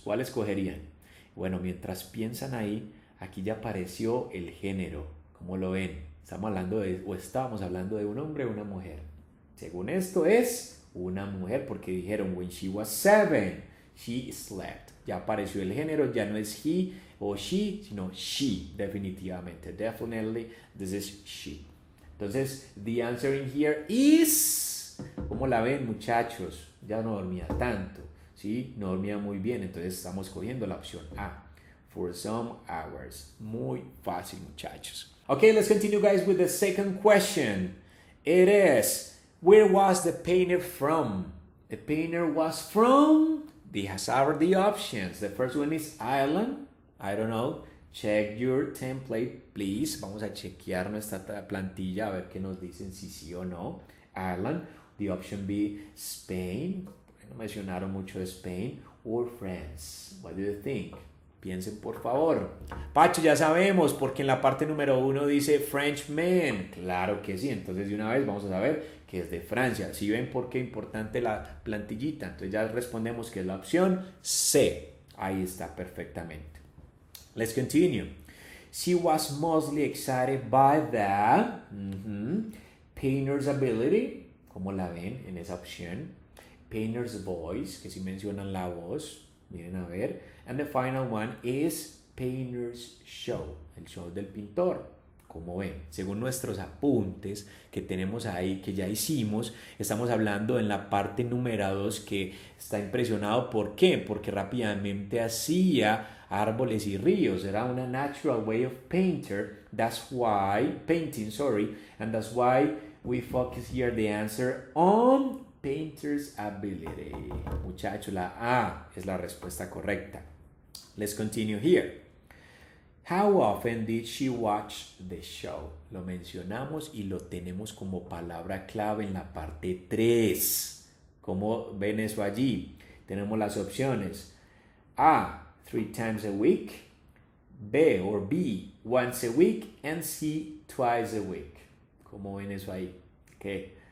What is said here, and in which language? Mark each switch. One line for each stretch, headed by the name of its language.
Spanish: ¿Cuál escogerían? Bueno, mientras piensan ahí, aquí ya apareció el género. ¿Cómo lo ven? Estamos hablando de, o estábamos hablando de un hombre o una mujer. Según esto es una mujer porque dijeron
English: when she was 7, she slept.
Spanish: Ya apareció el género, ya no es he o she, sino she, definitivamente.
English: Definitely, this is she.
Spanish: Entonces,
English: the answer in here is,
Spanish: ¿cómo la ven, muchachos? Ya no dormía tanto, ¿sí? No dormía muy bien, entonces estamos cogiendo la opción A.
English: For some hours.
Spanish: Muy fácil, muchachos.
English: Okay, let's continue, guys, with the second question. It is, where was the painter from? The painter was from, these are the options. The first one is Ireland. I don't know. Check your template, please.
Spanish: Vamos a chequear nuestra plantilla, a ver qué nos dicen si sí o no.
English: Ireland. The option B, Spain.
Spanish: No mencionaron mucho de Spain.
English: Or France. What do you think?
Spanish: Piensen, por favor. Pacho, ya sabemos, porque en la parte número uno dice French man. Claro que sí. Entonces, de una vez vamos a saber que es de Francia. ¿Sí ven por qué es importante la plantillita? Entonces, ya respondemos que es la opción C. Ahí está perfectamente.
English: Let's continue. She was mostly excited by the painter's ability.
Spanish: ¿Cómo la ven en esa opción?
English: Painter's voice,
Spanish: que sí mencionan la voz. Miren a ver.
English: And the final one is Painter's Show,
Spanish: el show del pintor. Como ven, según nuestros apuntes que tenemos ahí, que ya hicimos, estamos hablando en la parte número 2 que está impresionado. ¿Por qué? Porque rápidamente hacía árboles y ríos. Era una
English: natural way of painter. That's why, painting, sorry. And that's why we focus here the answer on Painter's ability.
Spanish: Muchacho, la A es la respuesta correcta.
English: Let's continue here. How often did she watch the show?
Spanish: Lo mencionamos y lo tenemos como palabra clave en la parte 3. ¿Cómo ven eso allí? Tenemos las opciones.
English: A, 3 times a week. B or B, once a week. And C, twice a week.
Spanish: ¿Cómo ven eso ahí? ¿Qué?